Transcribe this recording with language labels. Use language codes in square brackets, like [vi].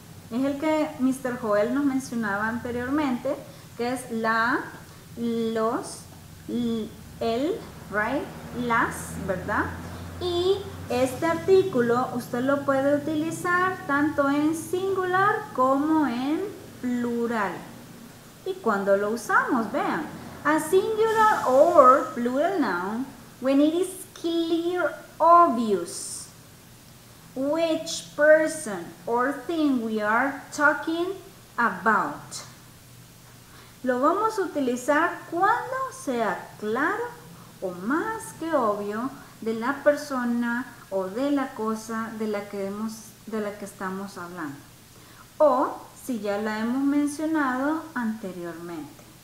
[es] Es el que Mr. Joel nos mencionaba anteriormente, que es la, los, el, right? Las, ¿verdad? Y este artículo usted lo puede utilizar tanto en singular como en plural. ¿Y cuando lo usamos? [en] Vean, a singular or plural noun, when it is clear, obvious, which person or thing we are talking about. [es] Lo vamos a utilizar cuando sea claro o más que obvio de la persona o de la cosa de la que estamos hablando. O si ya la hemos mencionado anteriormente.